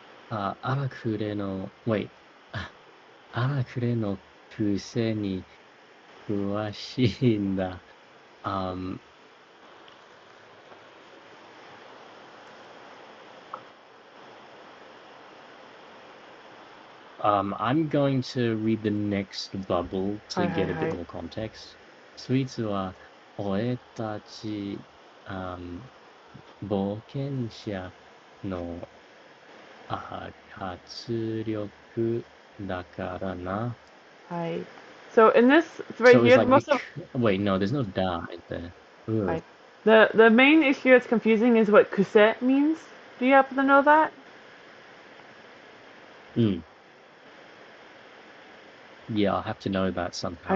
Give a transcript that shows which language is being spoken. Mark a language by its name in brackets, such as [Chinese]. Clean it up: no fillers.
[Japanese] Arakure no wait. Arakure no kuse ni kuwashii nda. [English] I'm going to read the next bubble to get a bit more context. [Japanese] スイーツは、俺たち、冒険者の活力だからな。 [English] Hi. So in this right So it's here, the like, most of bec wait, no, there's no da right there. Ooh. The main issue that's confusing is what kuse means. Do you happen to know that? Yeah, I'll have to know that Hi, somehow.